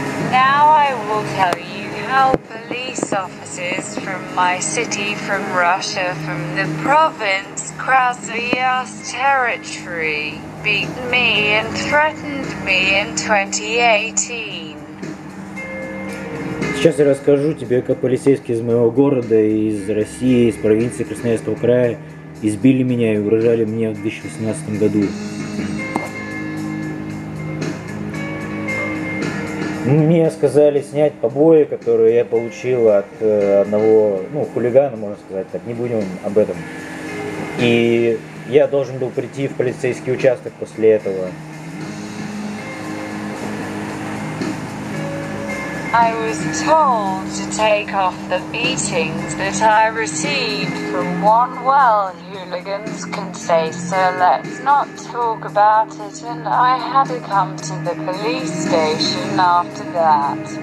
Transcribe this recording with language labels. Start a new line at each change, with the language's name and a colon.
English: Now I will tell you how police officers from my city, from Russia, from the province Krasnoyarsk territory, beat me and threatened me in 2018.
Russian: Сейчас я расскажу тебе, как полицейские из моего города, из России, из провинции Красноярского края избили меня и угрожали мне в 2018 году. Мне сказали снять побои, которые я получил от одного, ну, хулигана, можно сказать так, не будем об этом. И я должен был прийти в полицейский участок после этого.
English: I was told to take off the beatings that I received from one well hooligans can say, so let's not talk about it, and I had to come to the police station after that.